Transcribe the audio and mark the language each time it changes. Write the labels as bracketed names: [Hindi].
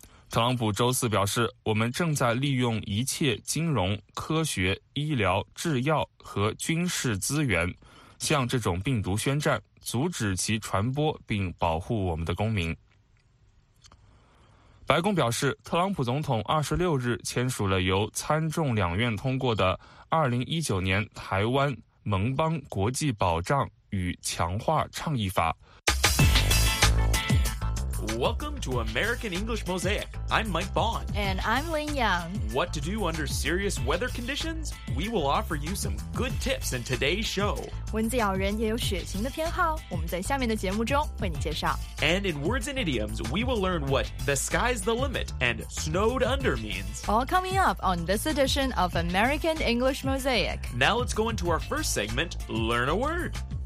[Chinese] 特朗普周四表示，我们正在利用一切金融、科学、医疗、制药和军事资源向这种病毒宣战，阻止其传播并保护我们的公民。白宫表示，特朗普总统26日签署了由参众两院通过的2019年台湾盟邦国际保障与强化倡议法。 [English] Welcome to American English Mosaic. I'm Mike Bond. And I'm Lin Yang. What to do under serious weather conditions? We will offer you some good tips in today's show. [Chinese] 蚊子咬人也有血型的偏好，我们在下面的节目中为你介绍。 [English] And in words and idioms, we will learn what the sky's the limit and snowed under means. All coming up on this edition of American English Mosaic. Now let's go into our first segment, Learn a Word.